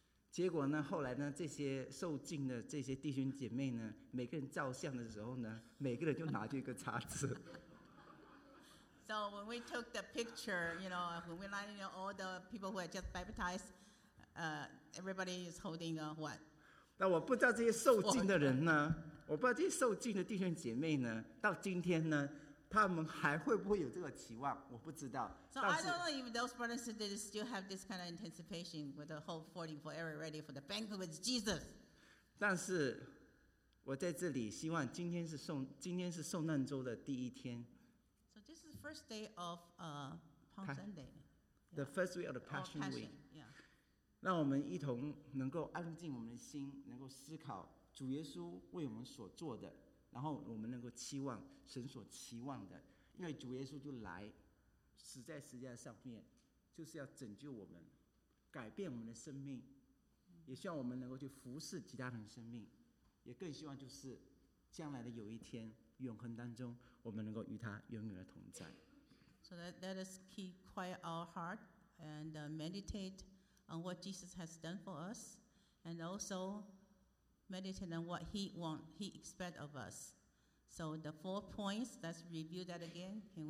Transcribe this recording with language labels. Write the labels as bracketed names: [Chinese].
[Chinese] 结果呢，后来呢，这些受浸的这些弟兄姐妹呢，每个人照相的时候呢，每个人就拿着一个叉子。 [English] So when we took the picture, when we lined up all the people who had just baptized, everybody is holding a what? [Chinese] 那我不知道这些受浸的人呢，我不知道这些受浸的弟兄姐妹呢，到今天呢。他们还会不会有这个期望？我不知道。 [English] So I don't know if those brothers and sisters still have this kind of anticipation with the whole falling forever ready for the banquet with Jesus. [Chinese] 但是我在这里希望今天是受难周的第一天。 [English] So this is the first day of Palm Sunday. The first week of the Passion Week. Yeah. [Chinese] 让我们一同能够安静我们的心，能够思考主耶稣为我们所做的。然后我们能够期望神所期望的，因为主耶稣就来死在十字架上面，就是要拯救我们，改变我们的生命，也希望我们能够去服侍其他人的生命，也更希望就是将来的有一天永恒当中我们能够与他永远的同在。 [English] So let us keep quiet our heart and meditate on what Jesus has done for us and also meditate on what he expects of us. So the four points, let's review that again.